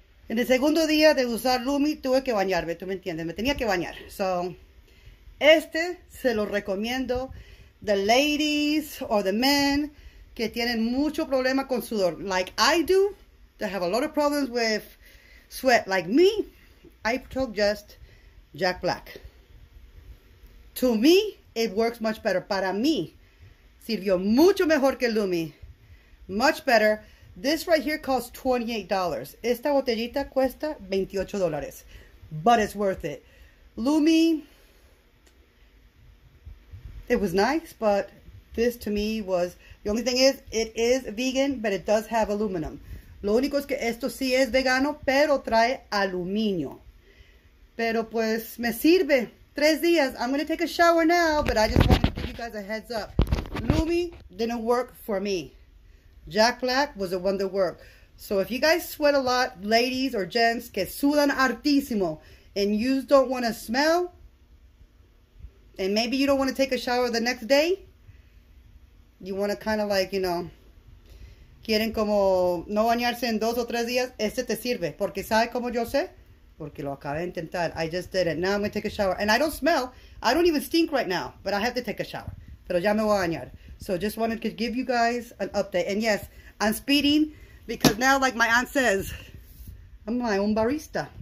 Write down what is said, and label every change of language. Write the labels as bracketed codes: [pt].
[es] En el segundo día de usar Lumi, tuve que bañarme, tú me entiendes, me tenía que bañar. So, este se lo recomiendo. [en] The ladies or the men [es] que tienen mucho problema con sudor, [en] like I do, that have a lot of problems with sweat, like me, I took just Jack Black. To me, it works much better. [es] Para mí, sirvió mucho mejor que Lumi. [en] Much better. This right here costs $28. [es] Esta botellita cuesta $28, [en] but it's worth it. Lumi, it was nice, but this to me was, the only thing is, it is vegan, but it does have aluminum. [es] Lo único es que esto sí es vegano, pero trae aluminio. Pero pues, me sirve. 3 días. [en] I'm going to take a shower now, but I just want to give you guys a heads up. Lumi didn't work for me. Jack Black was the one that worked. So if you guys sweat a lot, ladies or gents, [es] que sudan hartísimo, [en] and you don't want to smell, and maybe you don't want to take a shower the next day, you want to kind of like, you know, [es] quieren como no bañarse en dos o tres días, este te sirve. Porque sabe como yo sé, porque lo acabé de intentar. [en] I just did it. Now I'm going to take a shower. And I don't smell. I don't even stink right now, but I have to take a shower. [es] Pero ya me voy a bañar. [en] So just wanted to give you guys an update. And yes, I'm speeding because now, like my aunt says, I'm my own barista.